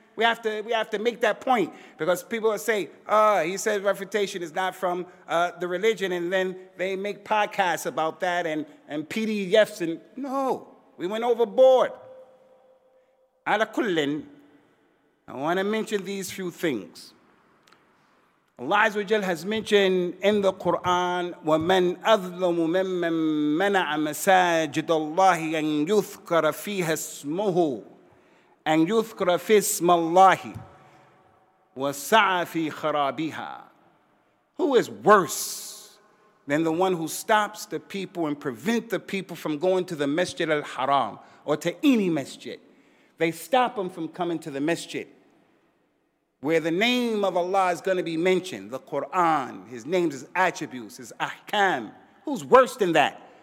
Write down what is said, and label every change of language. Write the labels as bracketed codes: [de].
[en] We have to make that point, because people will say, he said refutation is not from the religion, and then they make podcasts about that and PDFs. And no, we went overboard. [ar] Ala kullin, [en] I want to mention these few things. [ar] Allah Azza wa Jalla has mentioned in the Quran, وَمَنْ أَظْلَمُ مِمَّنْ مَنَعَ مَسَاجِدَ اللَّهِ أَنْ يُذْكَرَ فِيهَا اسْمُهُ أَنْ يُذْكَرَ فِي اسْمَ اللَّهِ وَسَعَ فِي خَرَابِهَا. [en] Who is worse than the one who stops the people and prevent the people from going to the Masjid al-Haram or to any masjid? They stop them from coming to the masjid where the name of Allah is going to be mentioned, the Quran, his names, his attributes, his ahkam. Who's worse than that?